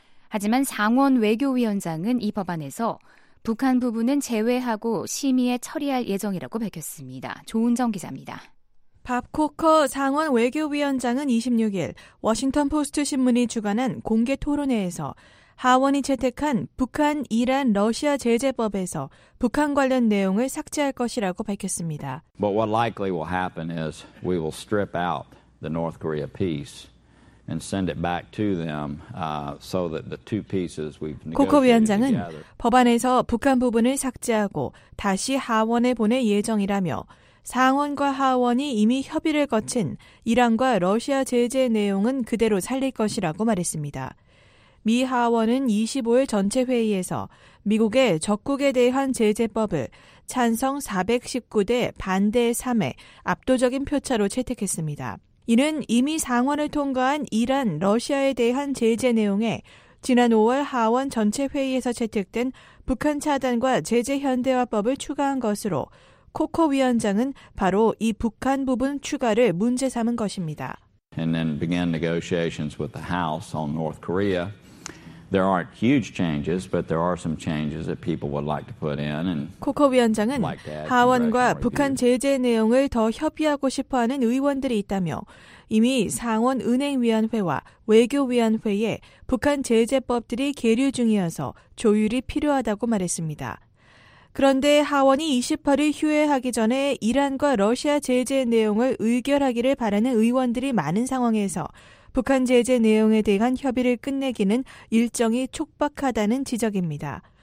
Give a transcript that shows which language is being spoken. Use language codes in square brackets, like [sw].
[ko] 하지만 상원 외교위원장은 이 법안에서 북한 부분은 제외하고 심의에 처리할 예정이라고 밝혔습니다. 조은정 기자입니다. 밥 코커 상원 외교위원장은 26일 워싱턴포스트 신문이 주관한 공개 토론회에서 하원이 채택한 북한, 이란, 러시아 제재법에서 북한 관련 내용을 삭제할 것이라고 밝혔습니다. [en] But what likely will happen is we will strip out the North Korea piece and send it back to them so that the two pieces we've negotiated together. [ko] 코커 위원장은 법안에서 북한 부분을 삭제하고 다시 하원에 보낼 예정이라며 상원과 하원이 이미 협의를 거친 이란과 러시아 제재 내용은 그대로 살릴 것이라고 말했습니다. 미 하원은 25일 전체 회의에서 미국의 적국에 대한 제재법을 찬성 419대 반대 3의 압도적인 표차로 채택했습니다. 이는 이미 상원을 통과한 이란, 러시아에 대한 제재 내용에 지난 5월 하원 전체 회의에서 채택된 북한 차단과 제재 현대화법을 추가한 것으로 코커 위원장은 바로 이 북한 부분 추가를 문제 삼은 것입니다. [en] And then began negotiations with the House on North Korea. There aren't huge changes, but there are some changes that people would like to put in. And [ko] 코커 위원장은 하원과 북한 제재 내용을 더 협의하고 싶어하는 의원들이 있다며 이미 상원 은행위원회와 외교위원회에 북한 제재법들이 계류 중이어서 조율이 필요하다고 말했습니다. 그런데 하원이 28일 휴회하기 전에 이란과 러시아 제재 내용을 의결하기를 바라는 의원들이 많은 상황에서 북한 제재 내용에 대한 협의를 끝내기는 일정이 촉박하다는 지적입니다.